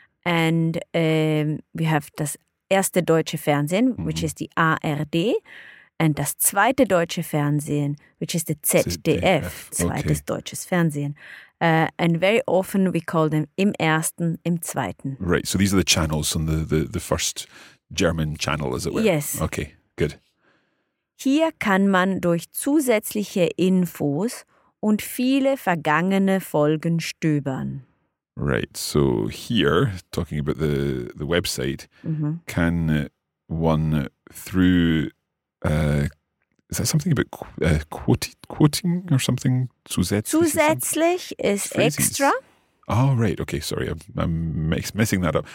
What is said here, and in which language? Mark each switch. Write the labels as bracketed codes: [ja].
[en] And we have [de] das erste deutsche Fernsehen, [en] which is the ARD, and [de] das zweite deutsche Fernsehen, [en] which is the ZDF, [de] zweites [en] okay. [de] deutsches Fernsehen. [en] And very often we call them [de] im ersten, im zweiten. [en] Right, so these are the channels on the first German channel, as it were. Yes. Okay, good. [de] Hier kann man durch zusätzliche Infos und viele vergangene Folgen stöbern. [en] Right, so here, talking about the website, mm-hmm. can one through, is that something about quoting or something? Zusätzlich is phrases. Extra. Oh, right, okay, sorry, I'm messing that up.